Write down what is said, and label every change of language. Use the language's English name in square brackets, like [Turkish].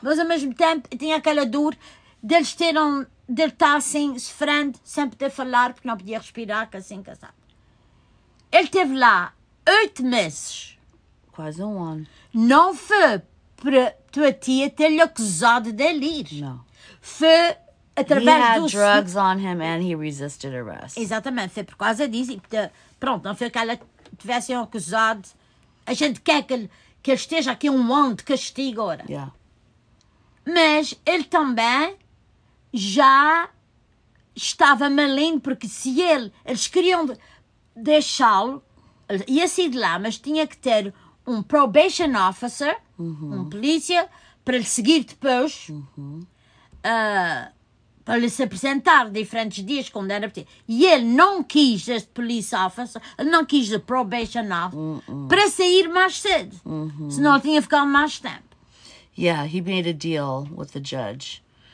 [Portuguese] Mas ao mesmo tempo tinha aquela dor deles terem, de ele estar assim, sofrendo, sem poder falar, porque não podia respirar, que assim, que sabe. Ele esteve lá 8 meses... Quase um ano. Não foi para a tua tia ter-lhe acusado de ele ir. Não. Foi através do... [English] He had drugs on him and he resisted arrest. [Portuguese] Exatamente. Foi por causa disso. E, pronto, não foi que ela tivesse acusado. A gente quer que ele esteja aqui um ano de castigo agora. [English] Yeah. [Portuguese] Mas ele também já estava malindo, porque se eles queriam deixá-lo, ia sair de lá, mas tinha que ter... um probation officer, um polícia, para lhe seguir depois, para lhe se apresentar diferentes dias, quando era petit. E ele não quis este police officer, ele não quis o probation officer, para sair mais cedo, senão ele tinha ficado mais tempo. [English] Yeah, he made a deal with the judge.